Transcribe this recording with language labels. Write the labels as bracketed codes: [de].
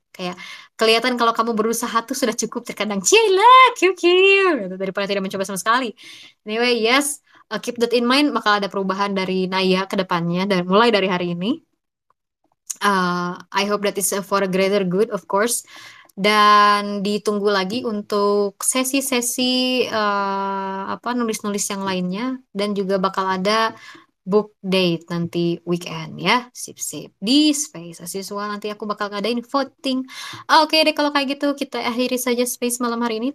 [id] Kayak kelihatan kalau kamu berusaha tuh sudah cukup terkadang. [en] Cila, kiu-kiu. [id] Daripada tidak mencoba sama sekali. [en] Anyway, yes. Keep that in mind. [id] Bakal ada perubahan dari Naya ke depannya. Dan mulai dari hari ini. [en] I hope that is for a greater good, of course. [id] Dan ditunggu lagi untuk sesi-sesi apa, nulis-nulis yang lainnya. Dan juga bakal ada book date nanti weekend ya. Sip. Di space as usual, nanti aku bakal ngadain voting. Oke, deh, kalau kayak gitu kita akhiri saja space malam hari ini.